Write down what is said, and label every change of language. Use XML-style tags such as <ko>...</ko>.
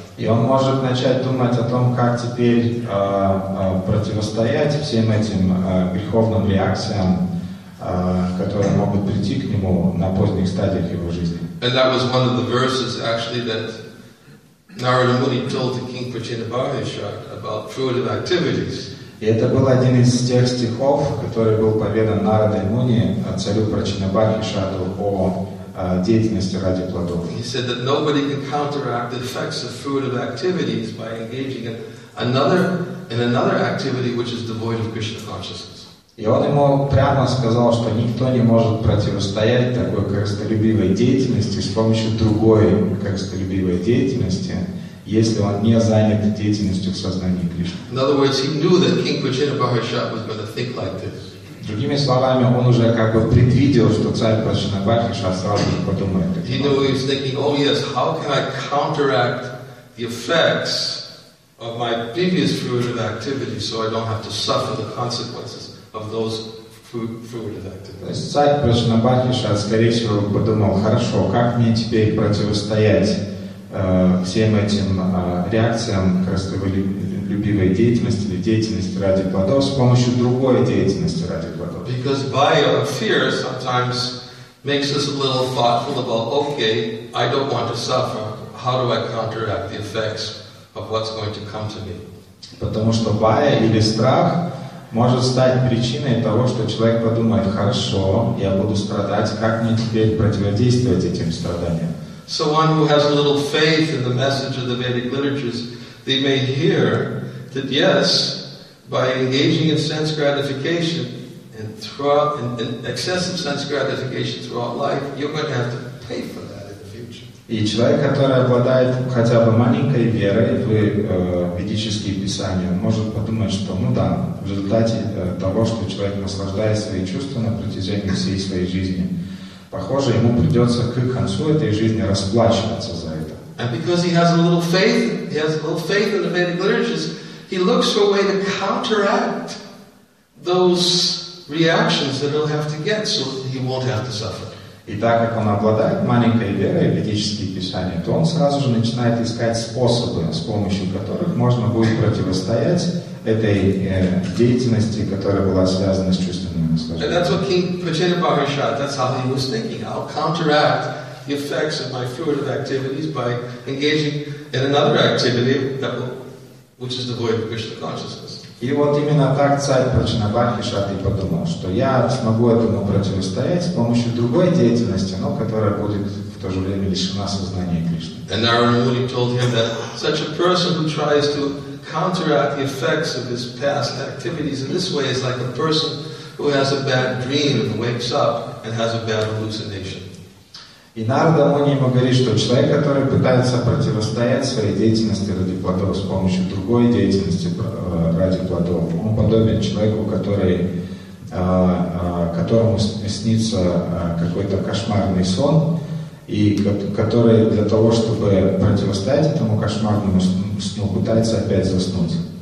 <ru>И он может начать думать о том, как теперь противостоять всем этим греховным реакциям, которые могут прийти к нему на поздних стадиях его жизни.</ru> <en>And that was one of the verses, actually, that Narada Muni told to King Prachinda Bhavishak about fruitive activities.</en> <ru>И это был один из тех стихов, который был поведан Нарадой Муни царю Прачинда Бхавишаку о деятельности ради плодов.</ru> <en>He said that nobody can counteract the effects of fruitive activities by engaging in another activity which is devoid of Krishna consciousness.</en> <ru>И он ему прямо сказал, что никто не может противостоять такой корыстолюбивой деятельности с помощью другой корыстолюбивой деятельности, если он не занят деятельностью в сознании Кришны.</ru> <en>In other words, he knew that King Prachinda Bhavishak was going to think like this.</en> <ru>Другими словами, он уже как бы предвидел, что царь Прачинда Бхавишак сразу же подумает.</ru> <en>He knew he was thinking, oh yes, how can I counteract the effects of my previous fruitive activity so I don't have to suffer the consequences of those fruitive activities.</en> <ru>То есть царь Прачинда Бхавишак, скорее всего, подумал, хорошо, как мне теперь противостоять всем этим реакциям, любимой деятельности или деятельности ради плодов с помощью другой деятельности ради плодов.</ru> <en>Because bio fear sometimes makes us a little thoughtful about, okay, I don't want to suffer. How do I counteract the effects of what's going to come to me?</en> <ru>Потому что bio или страх может стать причиной того, что человек подумает, хорошо, я буду страдать, как мне теперь противодействовать этим страданиям?</ru> <en>So one who has a little faith in the message of the Vedic literatures, they may hear that yes, by engaging in sense gratification and in excessive sense gratification throughout life, you're going to have to pay for that in the future.</en> <ru>И человек, который обладает хотя бы маленькой верой в ведические писания, может подумать, что ну да, в результате того, что человек наслаждает свои чувства на протяжении всей своей жизни, похоже, ему придется к концу этой жизни расплачиваться за это.</ru> <en>And because he has a little faith He has little faith in the Vedic literatures. He looks for a way to counteract those reactions that he'll have to get, so he won't have to suffer.</en> <ru>И так как он обладает маленькой верой в ведические писания, то он сразу же начинает искать способы, с помощью которых можно будет противостоять этой деятельности, которая была связана с чувственными наслаждениями.</ru> <en>And that's what King Pachena Bhagashat, that's how he was thinking. I'll counteract the effects of my fruitive activities by engaging in another activity, which is devoid of Krishna consciousness.</en> <ru>И вот именно так царь Прачинабхахишат и подумал, что я смогу этому противостоять с помощью другой деятельности, но которая будет в то же время лишена сознания Кришны.</ru> <en>And Narada Muni told him that such a person who tries to counteract the effects of his past activities in this way is like a person who has a bad dream and wakes up and has a bad hallucination.</en> <ru>И Нарада Муни ему говорит, что человек, который пытается противостоять своей деятельности ради плодов с помощью другой деятельности ради плодов, он подобен человеку, которому снится какой-то кошмарный сон, и который для того, чтобы противостоять этому кошмарному сну, пытается опять заснуть.</ru>